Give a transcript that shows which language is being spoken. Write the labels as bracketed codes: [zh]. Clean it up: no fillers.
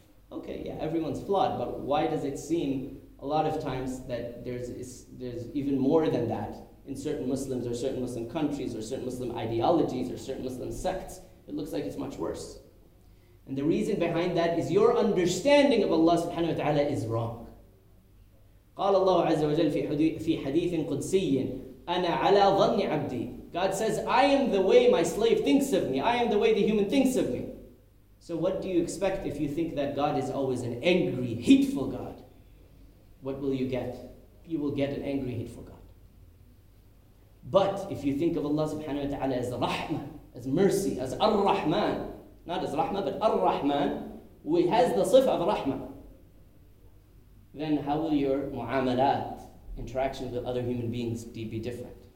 [en] Okay, yeah, everyone's flawed, but why does it seem a lot of times that there's even more than that in certain Muslims or certain Muslim countries or certain Muslim ideologies or certain Muslim sects? It looks like it's much worse. And the reason behind that is your understanding of Allah [ar] subhanahu wa ta'ala [en] is wrong. [ar] قال الله عز وجل في حديث قدسي أنا على ظن عبدي. [en] God says, I am the way my slave thinks of me. I am the way the human thinks of me. So what do you expect if you think that God is always an angry, hateful God? What will you get? You will get an angry, hateful God. But if you think of Allah [ar] subhanahu wa ta'ala [en] as rahmah, as mercy, as ar-Rahman, not as rahmah, but ar-Rahman, who has the sifah of rahmah, then how will your mu'amalat, interaction with other human beings, be different?